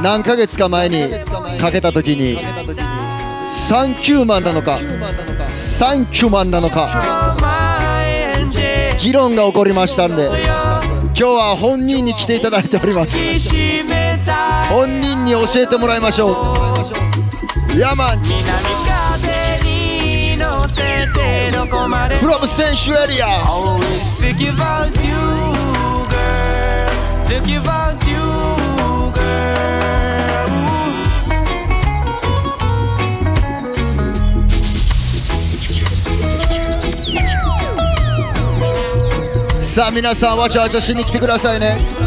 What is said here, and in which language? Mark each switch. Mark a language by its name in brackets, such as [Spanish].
[Japanese] 何ヶ月か前にかけた時にサンキューマンなのかサンキューマンなのか議論が起こりましたんで、今日は本人に来ていただいております。本人に教えてもらいましょう。ヤマン南風に乗せてどこまで [English] From [Japanese] 選手エリア [English] Always think about you girl Think about you girl、 [Japanese] さあ皆さんわちゃわちゃしに来てくださいね。